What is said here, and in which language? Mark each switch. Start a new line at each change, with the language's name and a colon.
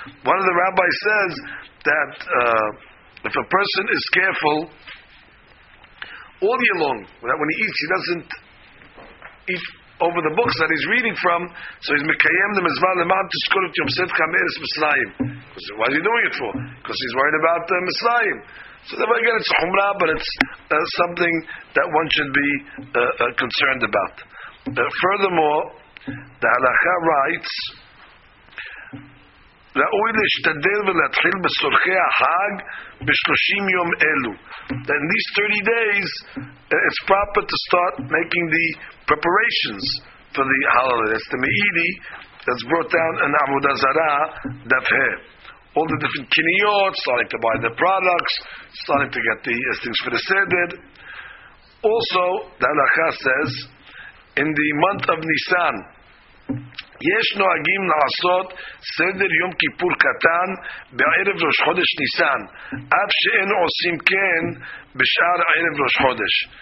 English: One of the rabbis says that if a person is careful all year long, that when he eats, he doesn't eat over the books that he's reading from, so he's mekayem the mezvah lemam tishkodot yom sedcha meres mislayim. What is he doing it for? Because he's worried about the mislayim. So then again, it's a chumrah, but it's something that one should be concerned about. Furthermore, the halakha writes,
Hebrew: ראוי להשתדל ולהתחיל בסורכי החג בשלושים יום אלו.
English: In these 30 days, it's proper to start making the preparations for the halal. That's the me'idi that's brought down in Avodah Zarah, Dafhe. All the different kiniyot, starting to buy the products, starting to get the things for the seder. Also, the halakha says, in the month of Nisan,
Hebrew: יש נוהגים לעשות סדר יום כיפור קטן בערב ראש חודש ניסן, אף שאין עושים כן בשאר ערב ראש חודש.